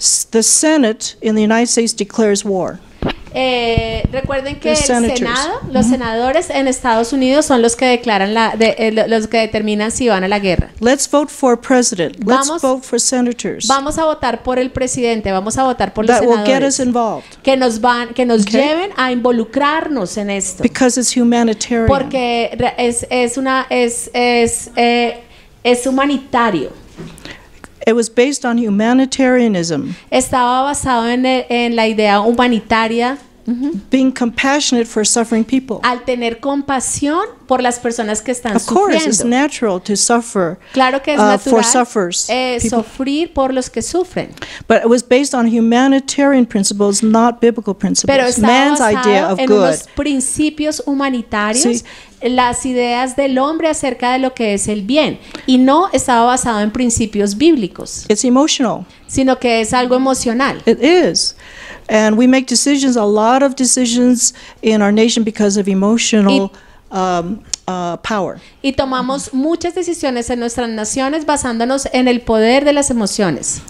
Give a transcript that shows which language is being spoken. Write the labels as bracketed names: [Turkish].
[English] The Senate in the United States declares war. [Spanish] Recuerden que el Senado, los senadores en Estados Unidos son los que declaran los que determinan si van a la guerra. [English] Let's vote for president. Let's vote for senators. [Spanish] Vamos a votar por el presidente, vamos a votar por los [English] that [Spanish] senadores. [English] Will get us involved. [Spanish] Que nos okay. lleven a involucrarnos en esto. [English] Because it's humanitarian. [Spanish] Porque es humanitario. [English] It was based on humanitarianism. [Spanish] Estaba basado en la idea humanitaria. [English] Mm-hmm. Being compassionate for suffering people. [Spanish] Al tener compasión por las personas que están sufriendo. [English] Of course, it's natural to suffer. [Spanish] Claro que es natural. [English] For sufferers. [Spanish] Sufrir por los que sufren. [English] But it was based on humanitarian principles, not biblical principles. [Spanish] Pero estaba [English] Man's [Spanish] basado [English] idea of [Spanish] en [English] good. [Spanish] Unos principios humanitarios. See, las ideas del hombre acerca de lo que es el bien y no estaba basado en principios bíblicos. [English] It's emotional. [Spanish] Sino que es algo emocional. [English] It is. And we make decisions, a lot of decisions in our nation because of emotional power. [Spanish] Y tomamos muchas decisiones en nuestras naciones basándonos en el poder de las emociones.